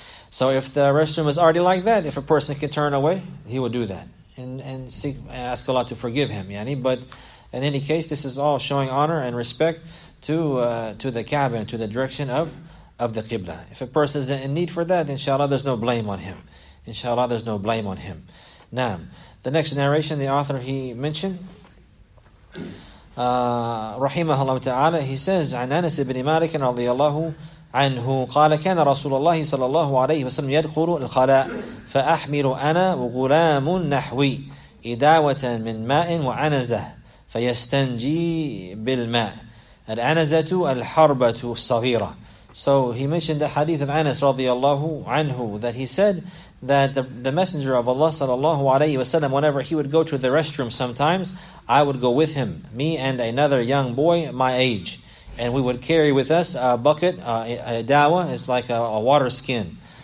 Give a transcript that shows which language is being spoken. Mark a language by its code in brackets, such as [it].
[en] So if the restroom is already like that, if a person can turn away, he will do that and ask Allah to forgive him. Yani, but in any case, this is all showing honor and respect to the Kaaba and to the direction of the Qibla. If a person is in need for that, inshallah, there's no blame on him. Inshallah, there's no blame on him. Naam. The next narration, the author, he mentioned, rahimahullah ta'ala, he says, [ar] عن أنس بن مالك رضي الله عنه قال كان رسول الله صلى الله عليه وسلم يدخل الخلاء فأحمل أنا وغلام نحوي إداوة من ماء وعنزة فيستنجي بالماء الأنزة الحربة الصغيرة. [en] So he mentioned the hadith of Anas radiallahu anhu that he said that the Messenger of Allah sallallahu alayhi wasallam, whenever he would go to the restroom sometimes, I would go with him, me and another young boy my age. And we would carry with us a bucket, a dawa, it's like a water skin.